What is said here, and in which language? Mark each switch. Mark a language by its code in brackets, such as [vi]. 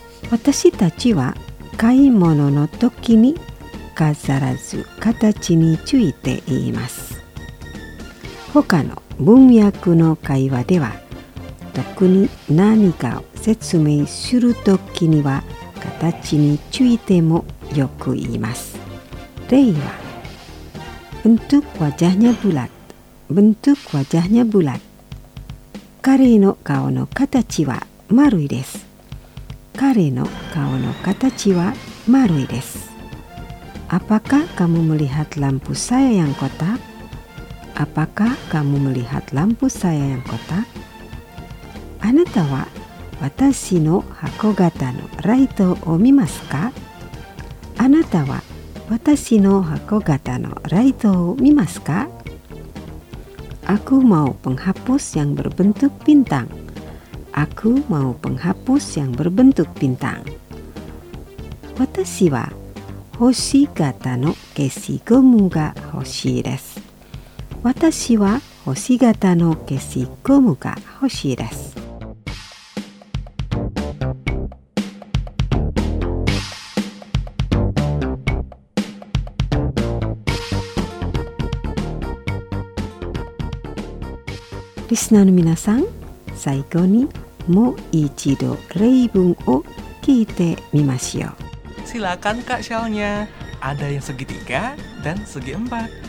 [ja] 私たちは買い物の時に飾らず形について言います。他の文脈の会話では特に何かを説明する時には形についてもよく言います。例は [id] Bentuk wajahnya bulat. Bentuk wajahnya bulat. [ja] 彼の顔の形は丸いです。彼の顔の形は丸いです。 [id] Apakah kamu melihat lampu saya yang kotak? Apakah kamu melihat lampu saya yang kotak? [ja] あなたは私の箱型のライトを見ますか？あなたは私の箱型のライトを見ますか？ [id] Aku mau penghapus yang berbentuk bintang. Aku mau penghapus yang berbentuk bintang. [ja] 私は星型の消しゴムが欲しいです。私は星型の消しゴムが欲しいです。リスナーの皆さん、最後にもう一度例文を聞いてみましょう。 [id] Silakan Kak Shalnya. Ada yang segitiga dan segi empat.